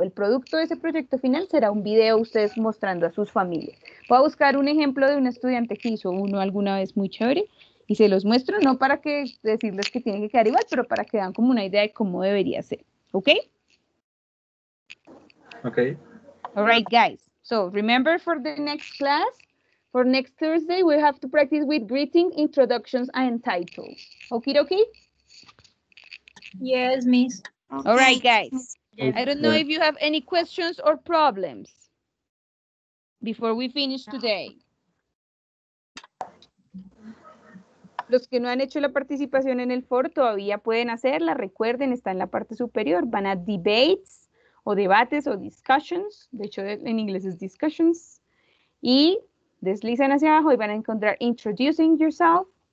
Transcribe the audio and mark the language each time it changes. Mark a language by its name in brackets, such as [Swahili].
[Spanish] El producto de ese proyecto final será un video ustedes mostrando a sus familias. Voy a buscar un ejemplo de un estudiante que hizo uno alguna vez muy chévere y se los muestro, no para que decirles que tienen que quedar igual, pero para que vean como una idea de cómo debería ser, ¿ok? Ok. [English] All right, guys. So, remember for the next class, for next Thursday, we have to practice with greeting, introductions, and titles. Okie dokie? Yes, miss. Okay. All right, guys. Yes. I don't know if you have any questions or problems before we finish today. [Spanish] Los que no han hecho la participación en el foro todavía pueden hacerla. Recuerden, está en la parte superior. Van a debates o debates o discussions. De hecho, en inglés es discussions. Y deslizan hacia abajo y van a encontrar introducing yourself.